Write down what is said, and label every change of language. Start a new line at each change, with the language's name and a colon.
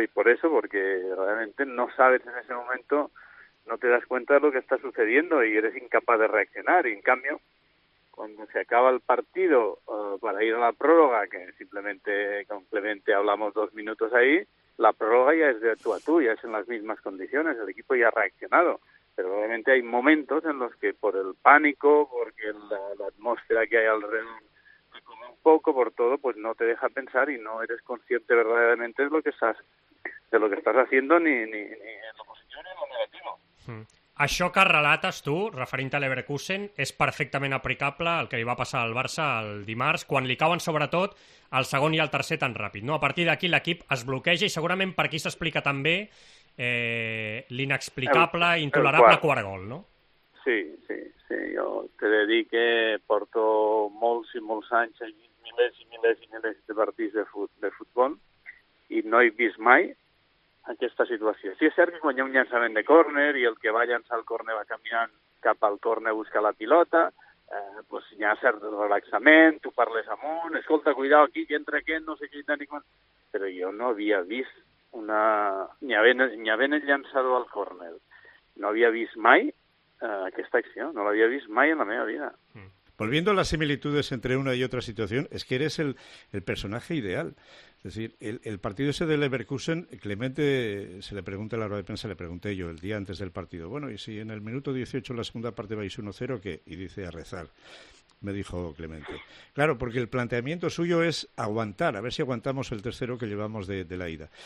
Spanish: Y por eso, porque realmente no sabes en ese momento, no te das cuenta de lo que está sucediendo y eres incapaz de reaccionar. Y en cambio, cuando se acaba el partido para ir a la prórroga, que simplemente con Clemente hablamos 2 minutos ahí, la prórroga ya es de tú a tú, ya es en las mismas condiciones, el equipo ya ha reaccionado. Pero obviamente hay momentos en los que por el pánico, porque la atmósfera que hay alrededor, como un poco por todo, pues no te deja pensar y no eres consciente verdaderamente de lo que estás haciendo ni en lo positivo ni en lo negativo. Sí.
Catalan: Això que relates tu, referint a Leverkusen, és perfectament aplicable al que li va passar al Barça el dimarts, quan li cauen sobretot el segon i el tercer tan ràpid. No? A partir d'aquí l'equip es bloqueja i segurament per aquí s'explica també l'inexplicable, intolerable quart gol, no? Sí. Jo t'he de dir que porto molts i molts anys, milers i milers i milers de partits de futbol i no he vist mai aquesta situació. Sí, és cert que quan hi ha un llançament de córner i el que va llançar el córner va caminant cap al córner a buscar la pilota, pues hi ha cert relaxament, tu parles amunt, escolta, cuidado aquí, que entra aquest, no sé què, ni quan... Però jo no havia vist una... Ni havent llançat al córner. No havia vist mai aquesta acció, no l'havia vist mai en la meva vida.
Spanish: Volviendo a las similitudes entre una y otra situación, es que eres el personaje ideal. Es decir, el partido ese del Leverkusen, Clemente se le pregunta a la rueda de prensa, le pregunté yo el día antes del partido, bueno, y si en el minuto 18 la segunda parte vais 1-0, ¿qué? Y dice a rezar, me dijo Clemente. Claro, porque el planteamiento suyo es aguantar, a ver si aguantamos el 3-0 que llevamos de la ida.